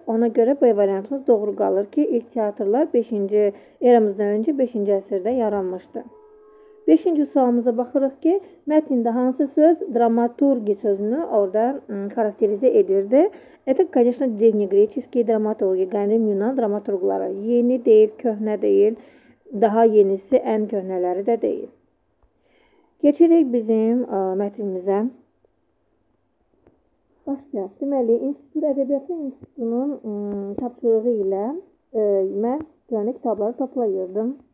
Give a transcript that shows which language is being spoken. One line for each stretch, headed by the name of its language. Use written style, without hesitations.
Azerbaijani: Ona görə B variantımız doğru qalır ki, ilk teatrlar 5-ci, eramızdan öncə 5-ci əsrdə yaranmışdı. 5-ci sualımıza baxırıq ki, mətnində hansı söz dramaturgi sözünü orada xarakterizə edirdi?
Russian: Это, конечно, древнегреческие драматурги,
Azerbaijani: qədim Yunan dramaturgları. Yeni deyil, köhnə deyil, daha yenisi ən köhnələri də deyil. Geçirik bizim mətnimizə. Başlayaq. Deməli, İnstitut Ədəbiyyatı İnstitutunun tapşırığı ilə mən yəni kitabları toplayırdım.